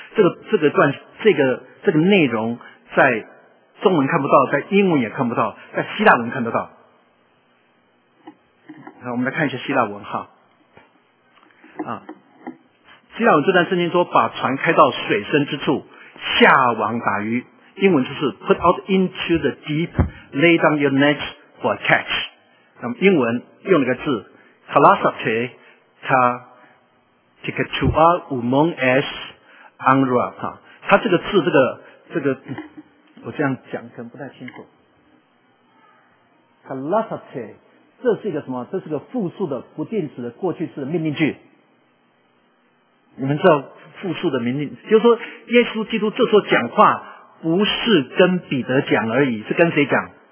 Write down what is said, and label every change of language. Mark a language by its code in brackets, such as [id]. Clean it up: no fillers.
[zh] 这个内容在中文看不到，在英文也看不到，在希腊文看得到。好，我们来看一下希腊文哈。希腊文这段圣经说，把船开到水深之处，下网打鱼。英文就是 [en] put out into the deep, lay down your nets for a catch。 [zh] 那么英文用了个字 ，kalasate ta tikatua umong s angra 哈。它这个字，这个，我这样讲可能不太清楚。 kalasate 这是一个什么？这是个复数的不定式的过去式的命令句。你们知道复数的命令，就是说耶稣基督这时候讲话不是跟彼得讲而已，是跟谁讲？